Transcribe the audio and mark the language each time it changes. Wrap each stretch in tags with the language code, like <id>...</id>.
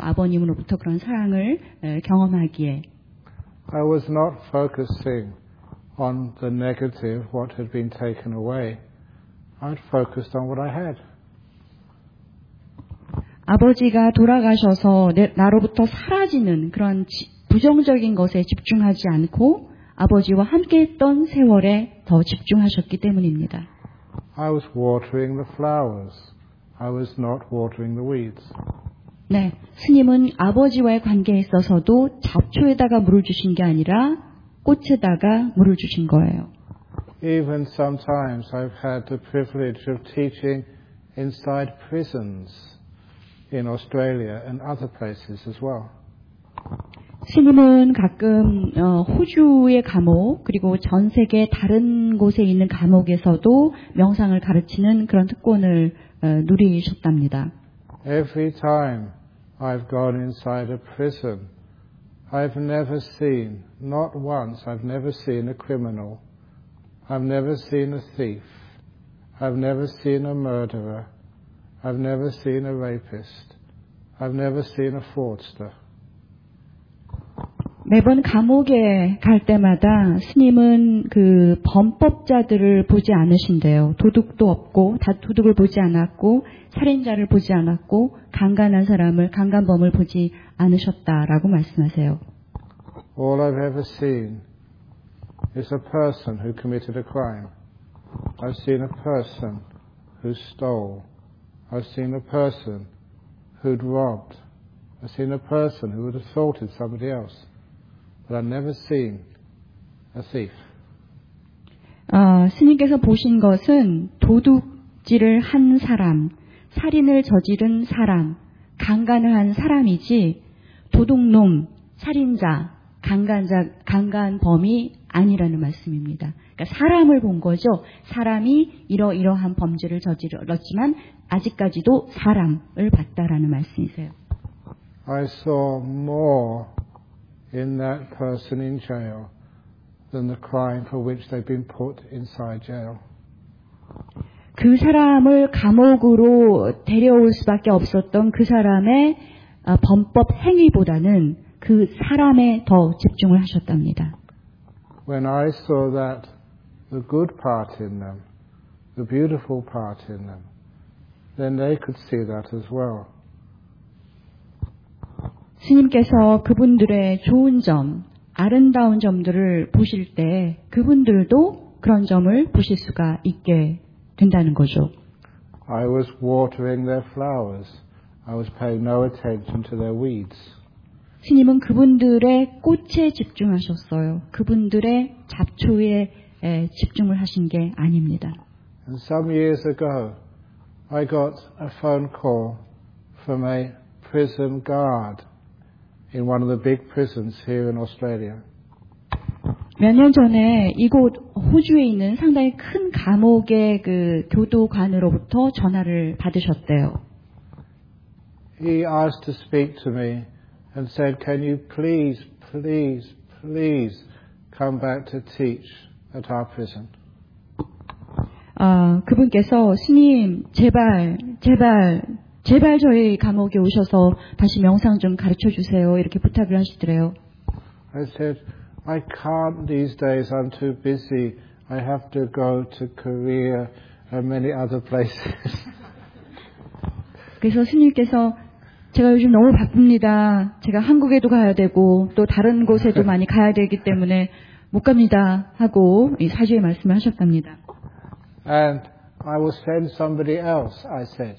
<ko>아버님으로부터 그런 사랑을 경험하기에.</ko> <en>I was not focusing on the negative, what had been taken away. I'd focused on what I had.</en> <ko>아버지가 돌아가셔서 나로부터 사라지는 그런 부정적인 것에 집중하지 않고 아버지와 함께했던 세월에 더 집중하셨기 때문입니다.</ko> <en>I was watering the flowers. I was not watering the weeds.</en> <ko>네, 스님은 아버지와의 관계에 있어서도 잡초에다가 물을 주신 게 아니라 꽃에다가 물을 주신 거예요.</ko> <en>Even sometimes I've had the privilege of teaching inside prisons. In Australia and other places as well.</en> <ko>스님은 가끔 호주의 감옥 그리고 전 세계 다른 곳에 있는 감옥에서도 명상을 가르치는 그런 특권을 누리셨답니다.</ko> <en>Every time I've gone inside a prison, I've never seen, not once, I've never seen a criminal. I've never seen a thief. I've never seen a murderer. I've never seen a rapist. I've never seen a fraudster.</en> <ko>매번 감옥에 갈 때마다 스님은 그 범법자들을 보지 않으신대요. 도둑도 없고 도둑을 보지 않았고 살인자를 보지 않았고 강간한 사람을 강간범을 보지 않으셨다라고 말씀하세요.</ko> <en>All I've ever seen is a person who committed a crime. I've seen a person who stole. I've seen a person who'd robbed. I've seen a person who would have assaulted somebody else. But I've never seen a thief.</en> <ko>스님께서 보신 것은 도둑질을 한 사람, 살인을 저지른 사람, 강간을 한 사람이지 도둑놈, 살인자, 강간범이 아니라는 말씀입니다. 그러니까 사람을 본 거죠. 사람이 이러이러한 범죄를 저질렀지만 아직까지도 사람을 봤다라는 말씀이세요.</ko> <en>I saw more in that person in jail than the crime for which they've been put inside jail.</en> <ko>그 사람을 감옥으로 데려올 수밖에 없었던 그 사람의 범법 행위보다는 그 사람에 더 집중을 하셨답니다.</ko> <en>When I saw that, the good part in them, the beautiful part in them, then they could see that as well.</en> <ko>스님께서 그분들의 좋은 점, 아름다운 점들을 보실 때 그분들도 그런 점을 보실 수가 있게 된다는 거죠.</ko> <en>I was watering their flowers. I was paying no attention to their weeds.</en> <ko>스님은 그분들의 꽃에 집중하셨어요. 그분들의 잡초에 집중을 하신 게 아닙니다.</ko> <en>And some years ago, I got a phone call from a prison guard in one of the big prisons here in Australia.</en> <ko>몇 년 전에 이곳 호주에 있는 상당히 큰 감옥의 그 교도관으로부터 전화를 받으셨대요.</ko> <en>He asked to speak to me and said, "Can you please, please, please come back to teach at our prison?"</en> <ko>그분께서 스님 제발 제발 제발 저희 감옥에 오셔서 다시 명상 좀 가르쳐 주세요 이렇게 부탁을 하시더래요.</ko> <en>I said, "I can't these days. I'm too busy. I have to go to Korea and many other places."</en> <ko>그래서 스님께서 제가 요즘 너무 바쁩니다. 제가 한국에도 가야 되고 또 다른 곳에도 많이 가야 되기 때문에 못 갑니다 하고 이 사주에 말씀을 하셨답니다.</ko> <en>"And I will send somebody else," I said.</en>